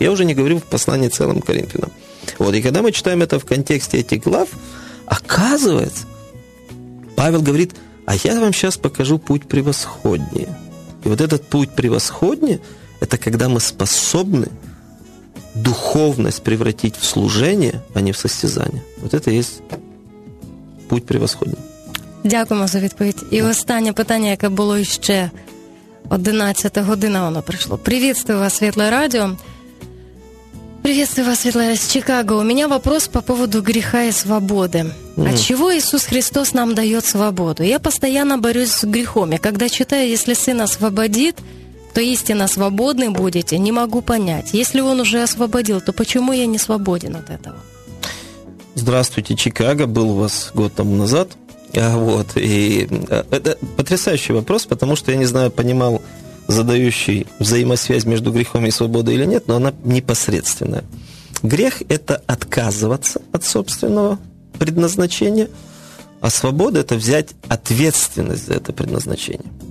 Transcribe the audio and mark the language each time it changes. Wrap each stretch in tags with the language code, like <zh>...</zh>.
<ru>Я уже не говорю в послании целом к Коринфянам. Вот, и когда мы читаем это в контексте этих глав, оказывается, Павел говорит, а я вам сейчас покажу путь превосходнее. И вот этот путь превосходнее, это когда мы способны духовность превратить в служение, а не в состязание. Вот это и есть путь превосходний.</ru> <uk>Дякуємо за відповідь. І останнє питання, яке було ще 11-та година, воно прийшло.</uk> <ru>Приветствую вас, Світле Радіо. Приветствую вас, Світле, з Чикаго.</ru> <uk>У мене</uk> <ru>вопрос по поводу</ru> <uk>гріха і свободи. А чого Ісус Христос нам дає свободу? Я постоянно борюсь з гріхом. Я коли читаю, якщо Син освободить, то істинно свободний будете, не можу зрозуміти. Якщо Він вже освободив, то чому я не свободен від цього?</uk> <ru>Здравствуйте, Чикаго, был у вас год тому назад. Вот, и это потрясающий вопрос, потому что я не знаю, понимал задающий взаимосвязь между грехом и свободой или нет, но она непосредственная. Грех – это отказываться от собственного предназначения, а свобода – это взять ответственность за это предназначение.</ru>